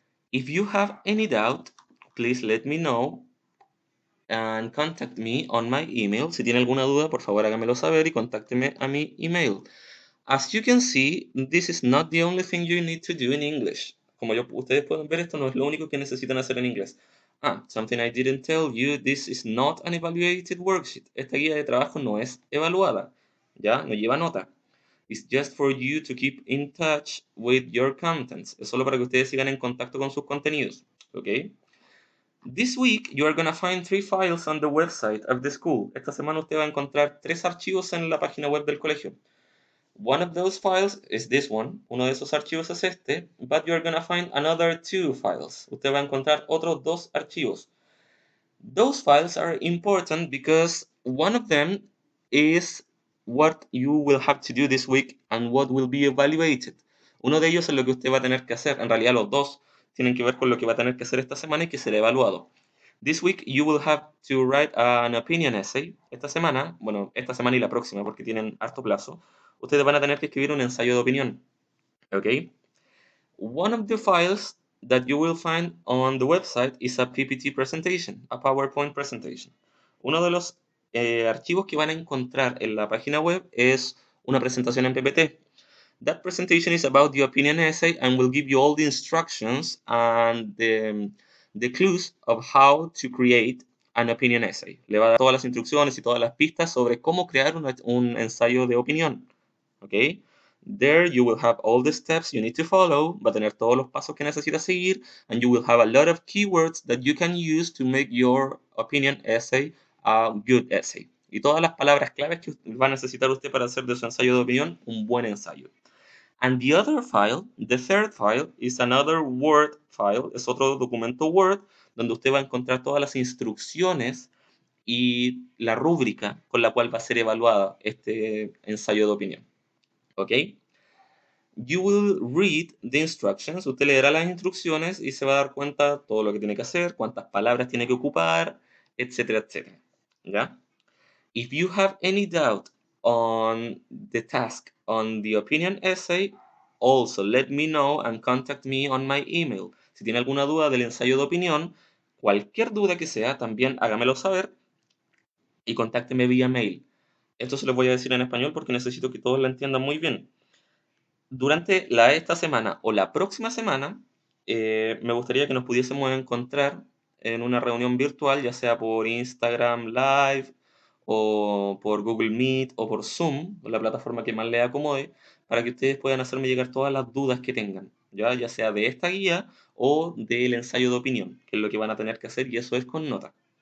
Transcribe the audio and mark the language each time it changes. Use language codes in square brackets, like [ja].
[en] If you have any doubt, please let me know. And contact me on my email. [es] Si tiene alguna duda, por favor hágamelo saber y contácteme a mi email. [en] As you can see, this is not the only thing you need to do in English. [es] Como yo, ustedes pueden ver, esto no es lo único que necesitan hacer en inglés. [en] Ah, something I didn't tell you, this is not an evaluated worksheet. [es] Esta guía de trabajo no es evaluada, ¿ya? No lleva nota. [en] It's just for you to keep in touch with your contents. [es] Es solo para que ustedes sigan en contacto con sus contenidos, ¿ok? [en] This week, you are going to find three files on the website of the school. [es] Esta semana usted va a encontrar tres archivos en la página web del colegio. [en] One of those files is this one. [es] Uno de esos archivos es este. [en] But you are going to find another two files. [es] Usted va a encontrar otros dos archivos. [en] Those files are important because one of them is what you will have to do this week and what will be evaluated. [es] Uno de ellos es lo que usted va a tener que hacer. En realidad, los dos tienen que ver con lo que va a tener que hacer esta semana y que será evaluado. [en] This week, you will have to write an opinion essay. [es] Esta semana, bueno, esta semana y la próxima, porque tienen harto plazo, ustedes van a tener que escribir un ensayo de opinión. [en] Okay? One of the files that you will find on the website is a PPT presentation, a PowerPoint presentation. [es] Uno de los archivos que van a encontrar en la página web es una presentación en PPT. [en] That presentation is about the opinion essay and will give you all the instructions and the clues of how to create an opinion essay. [es] Le va a dar todas las instrucciones y todas las pistas sobre cómo crear un ensayo de opinión. [en] Okay? There you will have all the steps you need to follow, [es] va a tener todos los pasos que necesita seguir, [en] and you will have a lot of keywords that you can use to make your opinion essay a good essay. [es] Y todas las palabras claves que va a necesitar usted para hacer de su ensayo de opinión un buen ensayo. [en] And the other file, the third file, is another Word file, [es] es otro documento Word, donde usted va a encontrar todas las instrucciones y la rúbrica con la cual va a ser evaluada este ensayo de opinión. [en] Okay, you will read the instructions, [es] usted leerá las instrucciones y se va a dar cuenta todo lo que tiene que hacer, cuántas palabras tiene que ocupar, etcétera, etcétera, ¿ya? [en] If you have any doubt on the task, on the opinion essay, also let me know and contact me on my email. [es] Si tiene alguna duda del ensayo de opinión, cualquier duda que sea, también hágamelo saber y contácteme vía mail. Esto se lo voy a decir en español porque necesito que todos la entiendan muy bien. Durante esta semana o la próxima semana, me gustaría que nos pudiésemos encontrar en una reunión virtual, ya sea por Instagram Live, o por Google Meet, o por Zoom, la plataforma que más le acomode, para que ustedes puedan hacerme llegar todas las dudas que tengan, ya sea de esta guía o del ensayo de opinión, que es lo que van a tener que hacer, y eso es con nota.